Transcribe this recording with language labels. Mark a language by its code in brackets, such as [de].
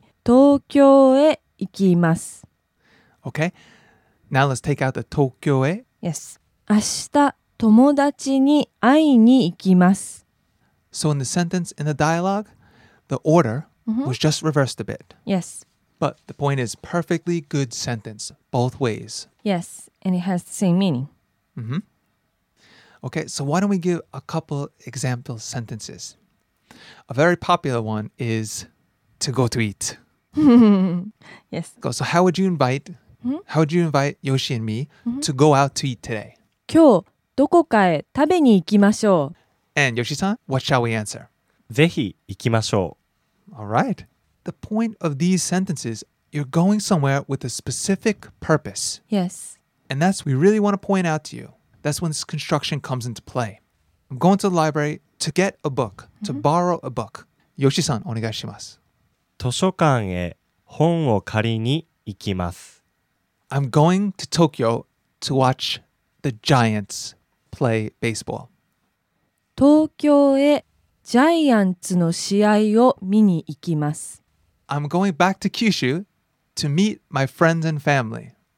[ja] 明日友達に会いに東京へ行きます. [en] Okay. Now let's take out the 東京へ. Yes. [ja] 明日友達に会いに行きます. [en] So in the sentence, in the dialogue, the order was just reversed a bit. Yes. But the point is perfectly good sentence, both ways. Yes, and it has the same meaning. Mm-hmm. Okay, so why don't we give a couple example sentences? A very popular one is to go to eat. Yes. So how would you invite, how would you invite Yoshi and me to go out to eat today? [ja] 今日どこかへ食べに行きましょう。 [en] And Yoshi-san, what shall we answer? [ja] ぜひ行きましょう。 [en] All right. The point of these sentences, you're going somewhere with a specific purpose. Yes. And that's what we really want to point out to you. That's when this construction comes into play. I'm going to the library to get a book, to borrow a book. Yoshi-san, [ja] お願いします。図書館へ本を借りに行きます。 [en] I'm going to Tokyo to watch the Giants play baseball. [ja] 東京へ ジャイアンツの試合を見に行きます。 [en] I'm going back to Kyushu to meet my friends and family.